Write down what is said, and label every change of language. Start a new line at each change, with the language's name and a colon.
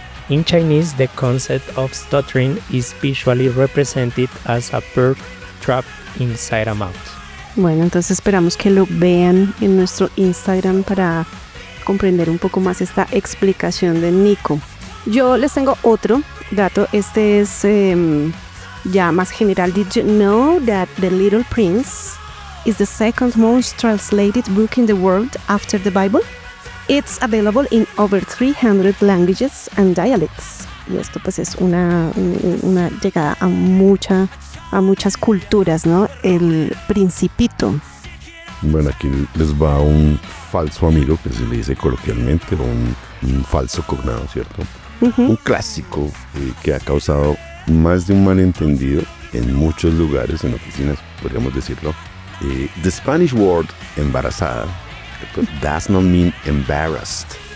English: In Chinese, the concept of stuttering is visually represented as a bird trapped inside a mouth.
Spanish: Bueno, entonces esperamos que lo vean en nuestro Instagram para comprender un poco más esta explicación de Nico. Yo les tengo otro dato. Este es ya más general.
English: Did you know that The Little Prince is the second most translated book in the world after the Bible? It's available in over 300 languages and dialects.
Spanish: Y esto pues es una llegada a muchas culturas, ¿no? El Principito. Bueno, aquí les va un falso amigo, que se le dice coloquialmente, o un falso cognado, ¿cierto? Uh-huh. Un clásico que ha causado más de un malentendido en muchos lugares, en oficinas, podríamos decirlo.
English: The Spanish word embarazada does not mean embarrassed.